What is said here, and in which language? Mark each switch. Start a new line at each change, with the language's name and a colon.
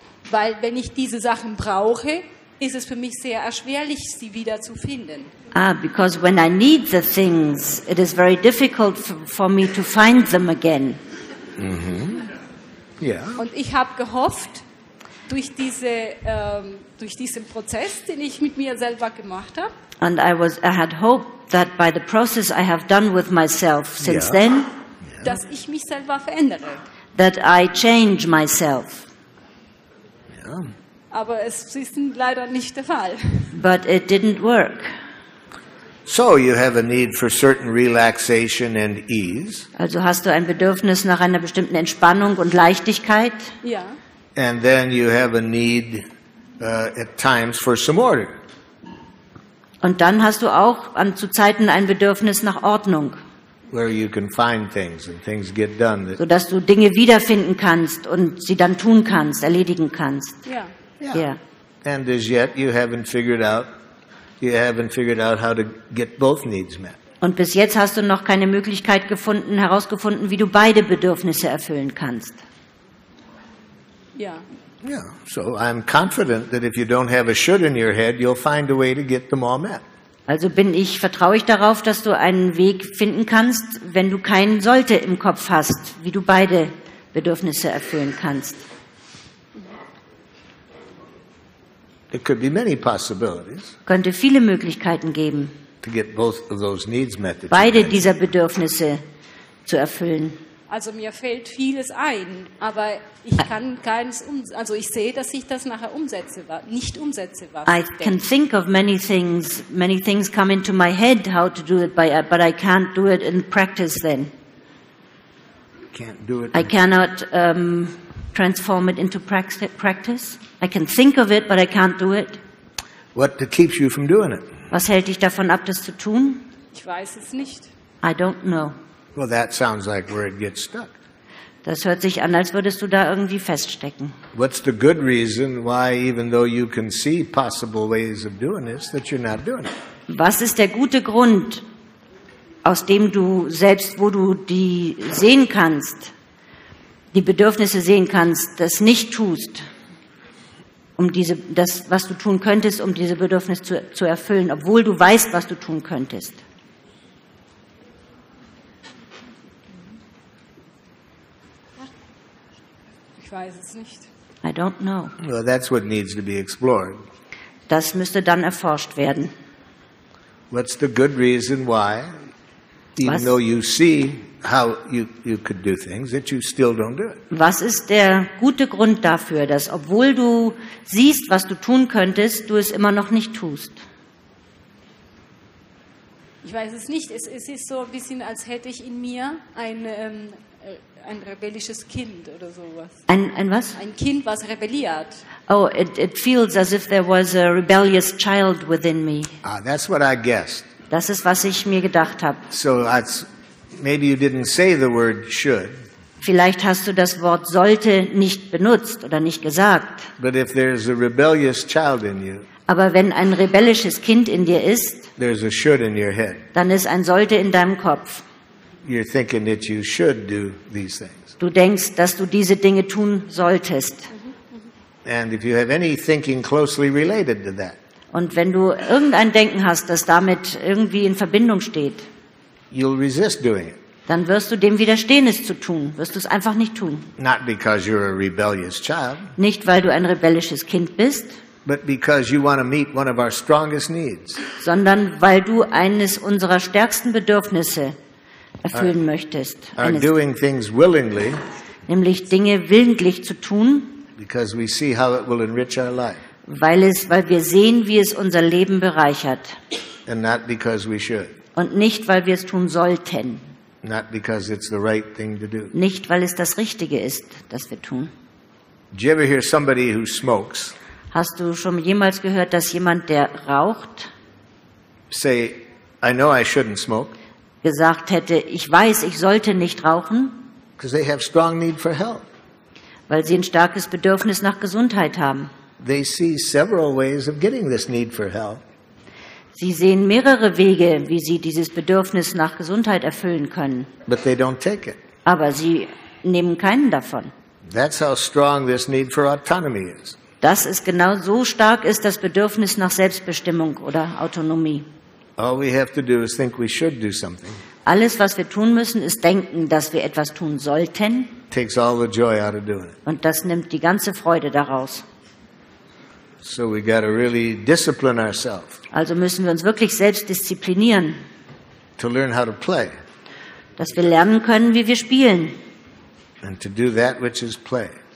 German: Weil wenn ich diese Sachen brauche, ist es für mich sehr erschwerlich, sie wieder zu finden.
English: Ah, because when I need the things, it is very difficult for me to find them again. Mm-hmm. Yeah.
German: Und ich habe gehofft, durch diesen Prozess, den ich mit mir selber gemacht habe.
English: And I had hoped that by the process I have done with myself since then,
German: dass ich mich selber verändere.
English: That I change myself.
German: Aber es ist leider nicht der Fall.
English: But it didn't work. So you have a need for certain relaxation and ease.
German: Also hast du ein Bedürfnis nach einer bestimmten Entspannung und Leichtigkeit. Ja.
English: And then you have a need at times for some order.
German: Und dann hast du auch zu Zeiten ein Bedürfnis nach Ordnung.
English: Where you can find things and things get done.
German: So dass du Dinge wiederfinden kannst und sie dann tun kannst, erledigen kannst.
English: Yeah. Yeah. Yeah. And as yet you haven't figured out how to get both needs met. Und bis jetzt hast du noch keine Möglichkeit gefunden, herausgefunden, wie du beide Bedürfnisse erfüllen kannst.
German: Ja.
English: Yeah. Yeah. So I'm confident that if you don't have a should in your head, you'll find a way to get them all met.
German: Also vertraue ich darauf, dass du einen Weg finden kannst, wenn du keinen Sollte im Kopf hast, wie du beide Bedürfnisse erfüllen kannst.
English: There could be many possibilities.
German: Könnte viele Möglichkeiten geben,
English: to get both of those needs met,
German: beide dieser Bedürfnisse zu erfüllen. Also mir fällt vieles ein, aber ich kann keins also ich sehe, dass ich das nachher umsetze, nicht umsetze.
English: I can think of many things come into my head how to do it, but I can't do it in practice then. Can't do it. I cannot transform it into practice. I can think of it, but I can't do it. What keeps you from doing it?
German: Was hält dich davon ab, das zu tun? Ich weiß es nicht.
English: I don't know. Well, that sounds like where it gets stuck.
German: Das hört sich an, als würdest du da irgendwie feststecken.
English: What's the good reason why, even though you can see possible ways of doing this, that you're not doing it?
German: Was ist der gute Grund, aus dem du selbst, wo du die sehen kannst, die Bedürfnisse sehen kannst, das nicht tust? Um diese, das, was du tun könntest, um diese Bedürfnisse zu erfüllen, obwohl du weißt, was du tun könntest. Ich weiß es nicht.
English: I don't know. Well, that's what needs to be explored.
German: Das müsste dann erforscht werden.
English: What's the good reason why, even was? Though you see how you could do things that you still don't do it.
German: Was ist der gute Grund dafür, dass obwohl du siehst, was du tun könntest, du es immer noch nicht tust? Ich weiß es nicht. Es ist so ein bisschen, als hätte ich in mir ein rebellisches Kind oder sowas. Ein was? Ein Kind, was rebelliert.
English: Oh, it feels as if there was a rebellious child within me. Ah, that's what I guessed.
German: Das ist, was ich mir gedacht habe.
English: So that's maybe you didn't say the word should.
German: Vielleicht hast du das Wort sollte nicht benutzt oder nicht gesagt.
English: But if there's a rebellious child in you,
German: aber wenn ein rebellisches Kind in dir ist,
English: there's a should in your head.
German: Dann ist ein sollte in deinem Kopf.
English: You're thinking that you should do these things.
German: Du denkst, dass du diese Dinge tun solltest.
English: And if you have any thinking closely related to that,
German: und wenn du irgendein Denken hast, das damit irgendwie in Verbindung steht,
English: you'll resist doing it.
German: Dann wirst du dem widerstehen, es zu tun. Wirst du es einfach nicht tun.
English: Not because you're a rebellious child,
German: nicht, weil du ein rebellisches Kind bist,
English: but because you want to meet one of our strongest needs,
German: sondern weil du eines unserer stärksten Bedürfnisse erfüllen möchtest.
English: Doing things willingly,
German: nämlich Dinge willentlich zu tun,
English: because we see how it will enrich our life,
German: weil wir sehen, wie es unser Leben bereichert.
English: And not because we should.
German: Und nicht, weil wir es tun sollten.
English: Not because it's the right thing to do.
German: Nicht, weil es das Richtige ist, das wir tun.
English: Did you ever hear somebody who smokes,
German: hast du schon jemals gehört, dass jemand, der raucht,
English: say, I know I shouldn't smoke,
German: gesagt hätte, ich weiß, ich sollte nicht rauchen,
English: 'cause they have strong need for help,
German: weil sie ein starkes Bedürfnis nach Gesundheit haben?
English: They see several ways of getting this need for help.
German: Sie sehen mehrere Wege, wie sie dieses Bedürfnis nach Gesundheit erfüllen können.
English: But they don't take it.
German: Aber sie nehmen keinen davon.
English: That's how strong this need for autonomy is.
German: Das ist genau so stark ist das Bedürfnis nach Selbstbestimmung oder Autonomie.
English: All we have to do is think we should do something.
German: Alles, was wir tun müssen, ist denken, dass wir etwas tun sollten.
English: Takes all the joy out of doing it.
German: Und das nimmt die ganze Freude daraus.
English: So we got to really discipline ourselves.
German: Also müssen wir uns wirklich selbst disziplinieren.
English: To learn how to play.
German: Dass wir lernen können, wie wir spielen.
English: And to do that which is play.